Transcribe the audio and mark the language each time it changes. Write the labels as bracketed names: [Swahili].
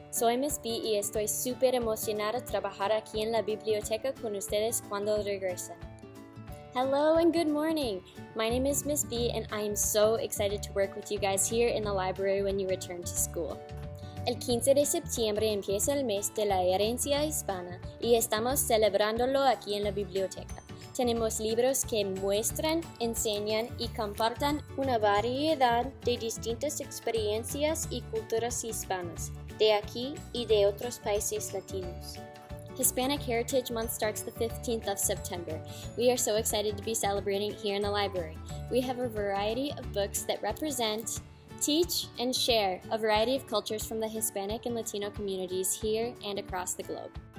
[Spanish] Soy Miss B y estoy súper emocionada de trabajar aquí en la biblioteca con ustedes cuando regresen. [English] Hello and good morning. My name is Miss B and I am so excited to work with you guys here in the library when you return to school. [Spanish] El 15 de septiembre empieza el mes de la herencia hispana y estamos celebrándolo aquí en la biblioteca. Tenemos libros que muestran, enseñan y compartan una variedad de distintas experiencias y culturas hispanas, de aquí y de otros países latinos. [English] Hispanic Heritage Month starts the 15th of September. We are so excited to be celebrating here in the library. We have a variety of books that represent, teach, and share a variety of cultures from the Hispanic and Latino communities here and across the globe.